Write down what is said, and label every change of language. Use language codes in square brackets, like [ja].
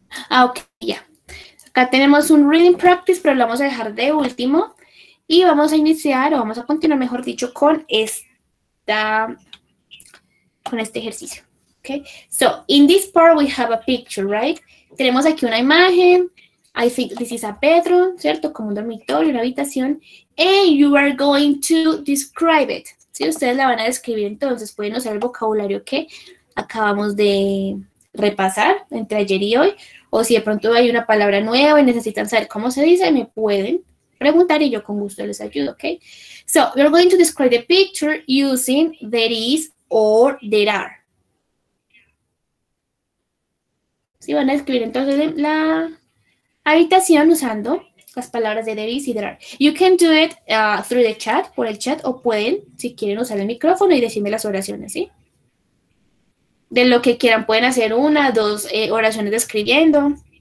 [es] Ah, ok, ya. Acá tenemos un reading practice, pero lo vamos a dejar de último. Y vamos a iniciar, o vamos a continuar, mejor dicho, con este ejercicio. Ok. [en] So in this part, we have a picture, right? Tenemos aquí una imagen. I think this is a bedroom, ¿cierto? Como un dormitorio, una habitación. And you are going to describe it. [es] Si ustedes la van a describir, entonces pueden usar el vocabulario que acabamos de repasar entre ayer y hoy. O si de pronto hay una palabra nueva y necesitan saber cómo se dice, me pueden preguntar y yo con gusto les ayudo, ¿ok? [en] So, you're going to describe the picture using there is or there are. [es] Si van a describir entonces la habitación usando las palabras de Debbie y Drar. You can do it through the chat, por el chat, o pueden, si quieren, usar el micrófono y decirme las oraciones, ¿sí? De lo que quieran, pueden hacer una, dos oraciones describiendo.